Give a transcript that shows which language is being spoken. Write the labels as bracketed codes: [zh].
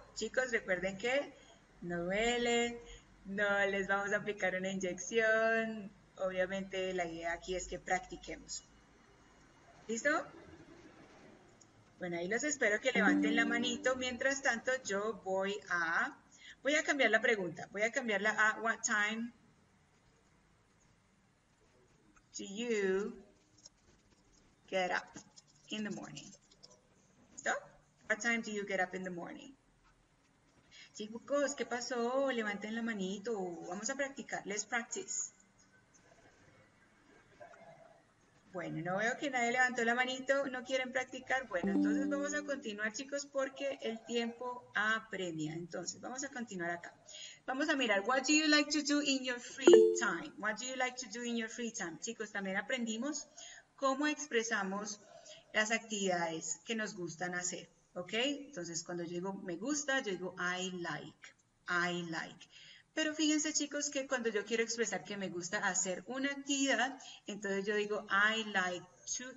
[es] Chicos, recuerden que no duele, no les vamos a aplicar una inyección. Obviamente la idea aquí es que practiquemos. ¿Listo? Bueno, ahí los espero que levanten la manito. Mientras tanto, yo voy a cambiar la pregunta. Voy a cambiarla a [en] what time do you get up in the morning? [es] ¿Listo? [en] What time do you get up in the morning? [es] Chicos, ¿qué pasó? Levanten la manito. Vamos a practicar. [en] Let's practice. [es] Bueno, no veo que nadie levantó la manito. ¿No quieren practicar? Bueno, entonces vamos a continuar, chicos, porque el tiempo apremia. Entonces, vamos a continuar acá. Vamos a mirar. [en] What do you like to do in your free time? What do you like to do in your free time? [es] Chicos, también aprendimos cómo expresamos las actividades que nos gustan hacer. ¿Ok? Entonces, cuando yo digo me gusta, yo digo I like. Pero fíjense, chicos, que cuando yo quiero expresar que me gusta hacer una actividad, entonces yo digo I like to.